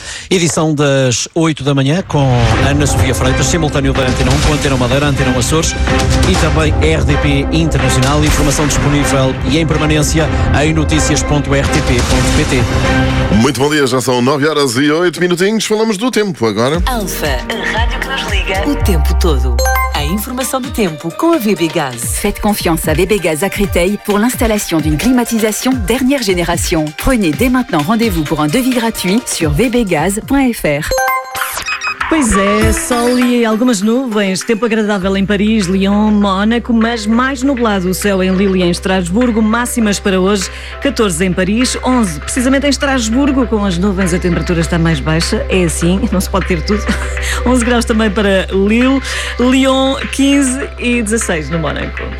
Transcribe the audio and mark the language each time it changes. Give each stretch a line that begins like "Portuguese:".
Portuguese: Edição das 8 da manhã com Ana Sofia Freitas, simultâneo da Antena 1 com Antena Madeira, Antena Açores e também RDP Internacional. Informação disponível e em permanência em noticias.rtp.pt. Muito bom dia, já são 9 horas e 8 minutinhos. Falamos do tempo agora. Alfa, a rádio que nos liga o tempo todo. A informação do tempo com a VB Gaz.
French: Faites confiance à VB Gaz à Créteil pour l'installation d'une climatisation dernière génération. Prenez dès maintenant rendez-vous pour un devis gratuit sur vbgaz.fr.
Portuguese: Pois é, sol e algumas nuvens, tempo agradável em Paris, Lyon, Mónaco, mas mais nublado o céu em Lille e em Estrasburgo, máximas para hoje, 14 em Paris, 11 precisamente em Estrasburgo, com as nuvens a temperatura está mais baixa, é assim, não se pode ter tudo, 11 graus também para Lille, Lyon, 15 e 16 no Mónaco.